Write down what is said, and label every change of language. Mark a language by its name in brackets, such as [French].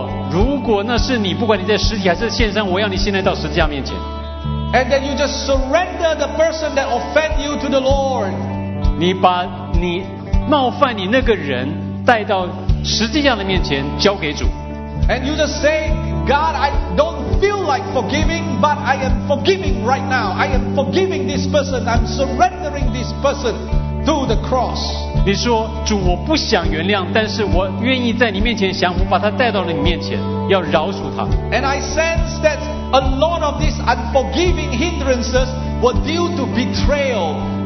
[Chinese] 如果那是你，不管你在实体还是线上，我要你现在到十字架面前。 [English] And then you just surrender the person that offend you to the Lord. [Chinese] 你把你冒犯你那个人带到十字架的面前，交给主。 [English] And you just say, God, I don't feel like forgiving, but I am forgiving right now. I am forgiving this person. I'm surrendering this person to the cross. [Chinese] 你说，主，我不想原谅，但是我愿意在你面前降服，把他带到了你面前，要饶恕他。 [English] And I sense that a lot of these unforgiving hindrances were due to betrayal.